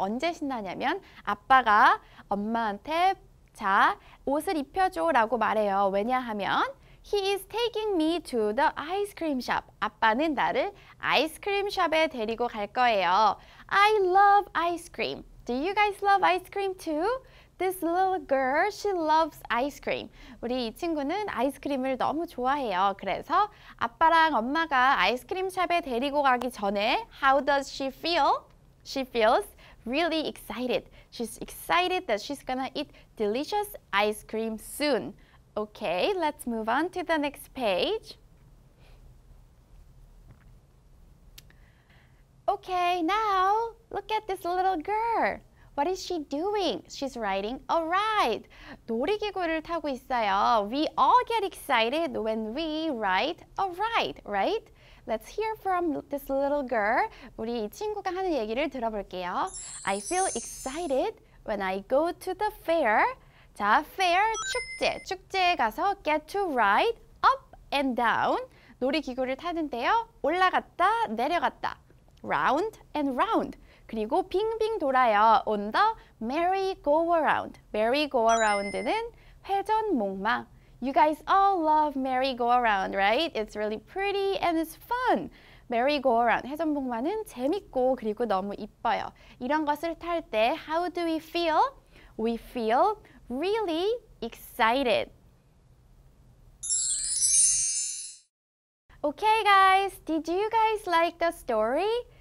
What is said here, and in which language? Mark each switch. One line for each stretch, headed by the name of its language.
Korean: 언제 신나냐면 아빠가 엄마한테 자, 옷을 입혀줘 라고 말해요. 왜냐하면
English: he is taking me to the ice cream shop.
Korean: 아빠는 나를 아이스크림 샵에 데리고 갈 거예요.
English: I love ice cream. Do you guys love ice cream too? This little girl, she loves ice cream.
Korean: 우리 이 친구는 아이스크림을 너무 좋아해요. 그래서 아빠랑 엄마가 아이스크림 샵에 데리고 가기 전에
English: How does she feel? She feels really excited. She's excited that she's gonna eat delicious ice cream soon. Okay, let's move on to the next page. Okay, now look at this little girl. What is she doing? She's riding a ride.
Korean: 놀이기구를 타고 있어요.
English: We all get excited when we ride a ride, right? Let's hear from this little girl.
Korean: 우리 이 친구가 하는 얘기를 들어볼게요.
English: I feel excited when I go to the fair. 자, fair,
Korean: 축제. 축제에 가서
English: get to ride up and down.
Korean: 놀이기구를 타는데요. 올라갔다, 내려갔다.
English: Round and round.
Korean: 그리고 빙빙 돌아요.
English: On the merry-go-around.
Korean: Merry-go-around는 회전목마.
English: You guys all love merry-go-around, right? It's really pretty and it's fun. Merry-go-around.
Korean: 회전목마는 재밌고 그리고 너무 이뻐요. 이런 것을 탈 때
English: How do we feel? We feel really excited. Okay, guys. Did you guys like the story?